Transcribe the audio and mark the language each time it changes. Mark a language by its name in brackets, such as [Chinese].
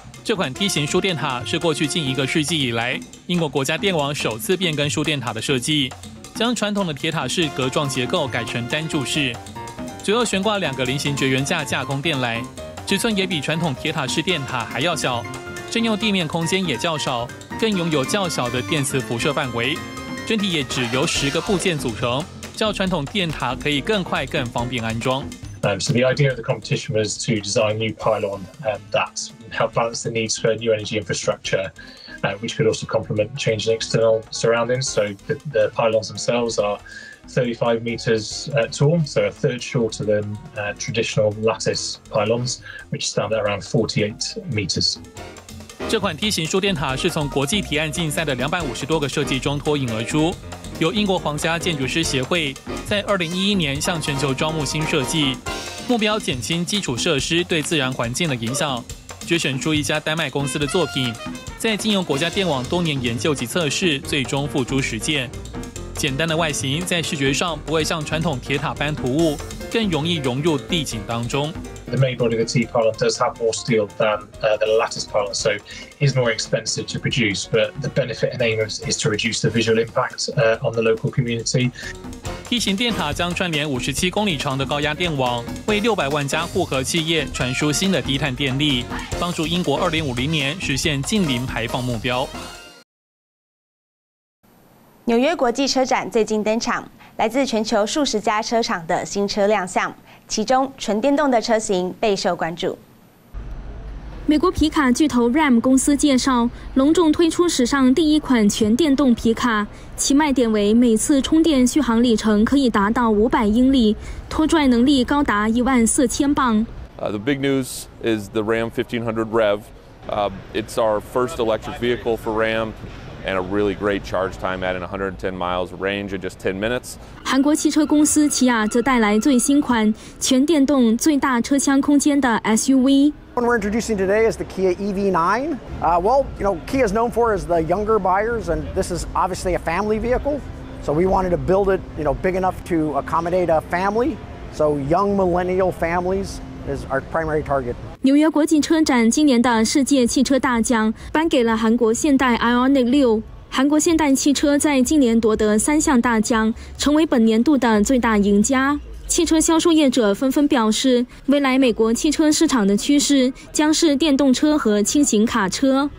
[Chinese] 这款梯形输电塔是过去近一个世纪以来英国国家电网首次变更输电塔的设计，将传统的铁塔式格状结构改成单柱式，左右悬挂2个菱形绝缘架架空电缆，尺寸也比传统铁塔式电塔还要小，占用地面空间也较少，更拥有较小的电磁辐射范围，整体也只由10个部件组成，较传统电塔可以更快更方便安装。 [English] So the idea of the competition was to design a new pylon that helped balance the needs for new energy infrastructure, which could also complement changing external surroundings. So the pylons themselves are 35 meters tall, so a third shorter than traditional lattice pylons, which stand at around 48 meters. [Chinese] 这款梯形输电塔是从国际提案竞赛的250多个设计中脱颖而出，由英国皇家建筑师协会在2011年向全球招募新设计，目标减轻基础设施对自然环境的影响，决选出一家丹麦公司的作品，在经由国家电网多年研究及测试，最终付诸实践。简单的外形在视觉上不会像传统铁塔般突兀，更容易融入地景当中。 [English] The main body of the T pylon does have more steel than the lattice pylon, so it's more expensive to produce. But the benefit and aim is to reduce the visual impact on the local community. [Chinese] 梯形电塔将串联57公里长的高压电网，为600万家户和企业传输新的低碳电力，帮助英国2050年实现净零排放目标。纽约国际车展最近登场，来自全球数十家车厂的新车亮相，其中纯电动的车型备受关注。美国皮卡巨头 RAM 公司介绍，隆重推出史上第一款全电动皮卡，其卖点为每次充电续航里程可以达到500英里，拖拽能力高达14000磅。 [English] The big news is the Ram 1500 REV. It's our first electric vehicle for Ram, and a really great charge time at an 110 miles range in just 10 minutes. [Chinese] 韩国汽车公司起亚则带来最新款全电动最大车厢空间的 SUV. [English] What we're introducing today is the Kia EV9. Well, you know, Kia is known for is the younger buyers, and this is obviously a family vehicle. So we wanted to build it, you know, big enough to accommodate a family. So young millennial families. Is our primary target. [Chinese] 纽约国际车展今年的世界汽车大奖颁给了韩国现代 IONIQ 6。韩国现代汽车在今年夺得三项大奖，成为本年度的最大赢家。汽车销售业者纷纷表示，未来美国汽车市场的趋势将是电动车和轻型卡车。